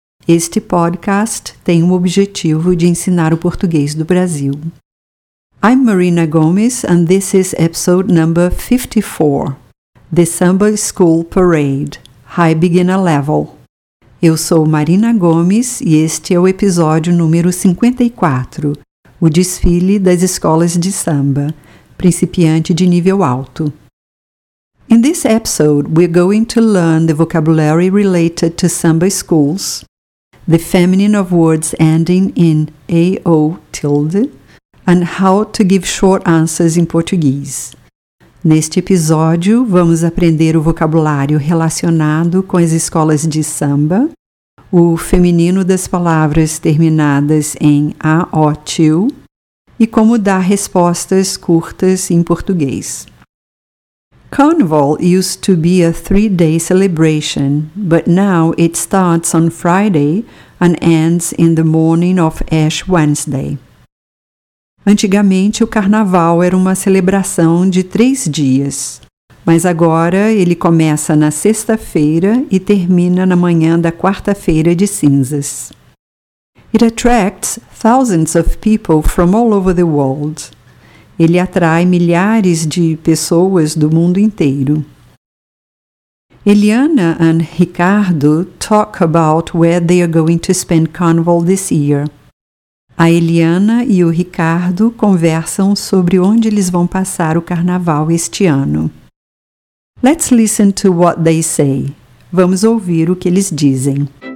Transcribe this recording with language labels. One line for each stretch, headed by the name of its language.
Portuguese: Este podcast tem o objetivo de ensinar o português do Brasil.
English: I'm Marina Gomes, and this is episode number 54, The Samba School Parade, High Beginner Level.
Portuguese: Eu sou Marina Gomes e este é o episódio número 54, o desfile das escolas de samba, principiante de nível alto.
English: In this episode, we're going to learn the vocabulary related to samba schools, the feminine of words ending in A-O tilde, and how to give short answers in Portuguese.
Portuguese: Neste episódio, vamos aprender o vocabulário relacionado com as escolas de samba, o feminino das palavras terminadas em A-O-Til, e como dar respostas curtas em português.
English: Carnival used to be a three-day celebration, but now it starts on Friday and ends in the morning of Ash Wednesday.
Portuguese: Antigamente, o carnaval era uma celebração de três dias, mas agora ele começa na sexta-feira e termina na manhã da quarta-feira de cinzas.
English: It attracts thousands of people from all over the world.
Portuguese: Ele atrai milhares de pessoas do mundo inteiro.
English: Eliana and Ricardo talk about where they are going to spend Carnival this year.
Portuguese: A Eliana e o Ricardo conversam sobre onde eles vão passar o Carnaval este ano.
English: Let's listen to what they say.
Portuguese: Vamos ouvir o que eles dizem.